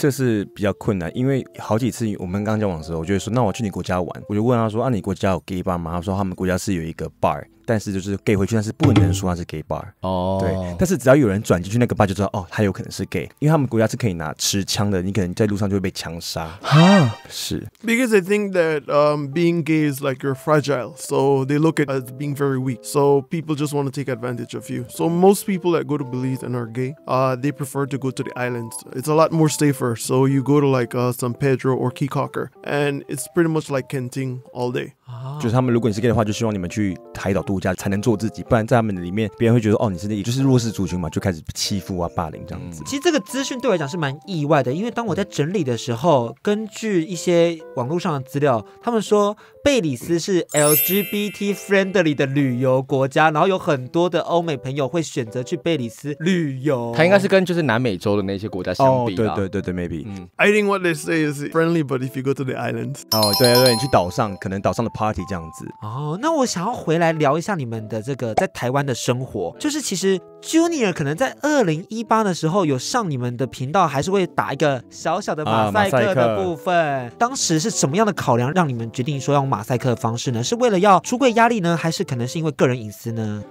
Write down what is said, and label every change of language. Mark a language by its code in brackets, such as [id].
[zh] 这是比较困难，因为好几次我们刚交往的时候，我就说那我去你国家玩，我就问他说啊，你国家有 gay bar 吗？他说他们国家是有一个 bar，但是就是 gay 回去，但是不能说他是 gay bar 哦、oh. 对，但是只要有人转进去那个 bar 就知道哦，他有可能是 gay， 因为他们国家是可以拿持枪的，你可能在路上就会被枪杀哈、 huh? 是 [en] because I think that being gay is like you're fragile so they look at as being very weak so people just want to take advantage of you so most people that go to Belize and are gay they prefer to go to the islands it's a lot more safer so you go to like San Pedro or Key Cocker and it's pretty much like Kenting all day、 oh. [zh] 就是他们如果你是 gay 的话就希望你们去海岛度家才能做自己，不然在他们里面别人会觉得哦你是那也就是弱势族群嘛，就开始欺负啊霸凌这样子。其实这个资讯对我来讲是蛮意外的，因为当我在整理的时候根据一些网络上的资料，他们说贝里斯是 LGBT friendly 的旅游国家，然后有很多的欧美朋友会选择去贝里斯旅游。他应该是跟就是南美洲的那些国家相比、哦、对对对对 maybe、 mm. [en] I think what they say is friendly but if you go to the island [zh] 哦对对对，你去岛上可能岛上的 party 这样子。哦那我想要回来聊一下你们的这个在台湾的生活，就是其实 Junior 可能在2018的时候有上你们的频道，还是会打一个小小的马赛克的部分、啊、当时是什么样的考量让你们决定说要马赛克的方式呢？是为了要出柜压力呢，还是可能是因为个人隐私呢？